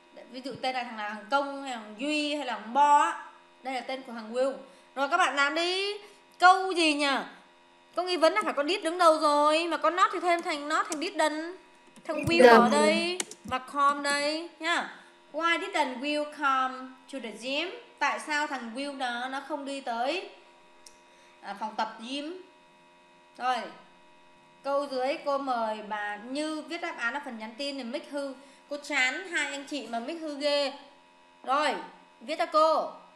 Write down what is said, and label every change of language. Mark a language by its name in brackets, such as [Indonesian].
[Vietnamese] Ví dụ tên là thằng nào, thằng Công hay thằng Duy hay là thằng Bo á. Đây là tên của thằng Will. Rồi các bạn làm đi, câu gì nhỉ? Câu nghi vấn là phải có did đứng đầu rồi. Mà có not thì thêm thành not, thành didn't. Thằng Will ở đây, mà come đây nhá. [English] Why didn't Will come to the gym? [Vietnamese] Tại sao thằng Will nó không đi tới phòng tập gym? Rồi, câu dưới cô mời bà Như viết đáp án ở phần nhắn tin để mic hư. Cô chán hai anh chị mà mic hư ghê. Rồi, viết cho cô.